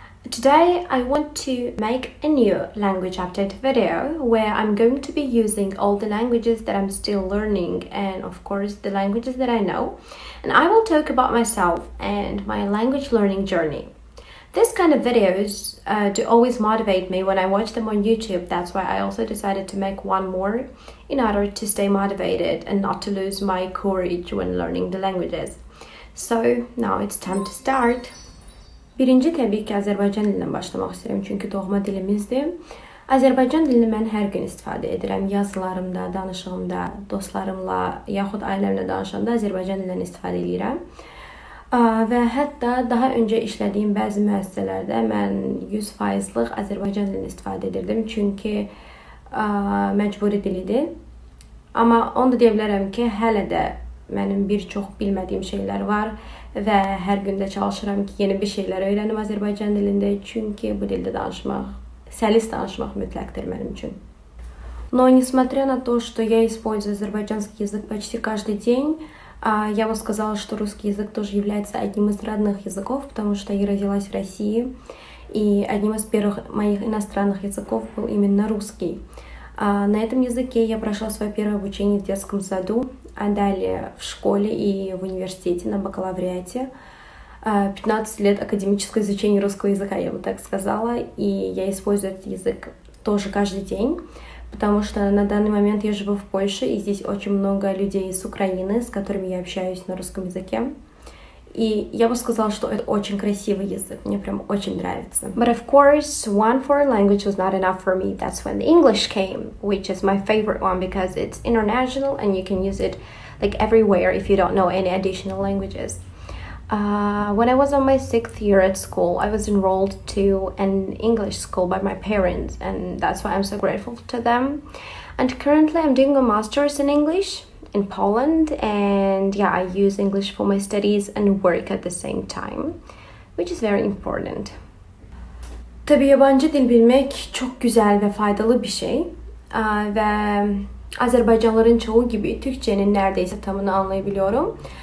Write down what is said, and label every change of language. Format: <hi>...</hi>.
<en>Today I want to make a new language update video where I'm going to be using all the languages that I'm still learning and of course the languages that I know, and I will talk about myself and my language learning journey. This kind of videos do always motivate me when I watch them on YouTube. That's why I also decided to make one more in order to stay motivated and not to lose my courage when learning the languages. So, now it's time to start.</en> <az>Birinci təbii ki, Azərbaycan dilindən başlamaq istəyirəm, çünki doğma dilimizdir. Azərbaycan dilini mən hər gün istifadə edirəm. Yazılarımda, danışığımda, dostlarımla, yaxud ailəmlə danışanda Azərbaycan dilindən istifadə edirəm. Və hətta daha öncə işlədiyim bəzi müəssisələrdə mən 100%-lıq Azərbaycan dilini istifadə edirdim, çünki məcburi dilidir. Amma onu da deyə bilərəm ki, hələ də mənim bir çox bilmədiyim şeylər var və hər gün də çalışıram ki, yeni bir şeylər öyrənim Azərbaycan dilində, çünki bu dildə danışmaq, səlis danışmaq mütləqdir mənim üçün.</az> <ru>Но несмотря на то, что я использую азербайджанский язык почти каждый день, я бы сказала, что русский язык тоже является одним из родных языков, потому что я родилась в России, и одним из первых моих иностранных языков был именно русский. На этом языке я прошла свое первое обучение в детском саду, а далее в школе и в университете на бакалавриате. 15 лет академического изучения русского языка, я бы так сказала, и я использую этот язык тоже каждый день, потому что на данный момент я живу в Польше, и здесь очень много людей из Украины, с которыми я общаюсь на русском языке. И я бы сказала, что это очень красивый язык, мне прям очень нравится.</ru> <en>But of course, one foreign language was not enough for me. That's when the English came, which is my favorite one because it's international and you can use it like everywhere if you don't know any additional languages. When I was on my sixth year at school, I was enrolled to an English school by my parents, and that's why I'm so grateful to them. And currently I'm doing a master's in English in Poland, and yeah, I use English for my studies and work at the same time, which is very important.</en> <tr>Tabii yabancı dil bilmek çok güzel ve faydalı bir şey. Ve Azerbaycanlıların çoğu gibi Türkçenin neredeyse tamını anlayabiliyorum.</tr>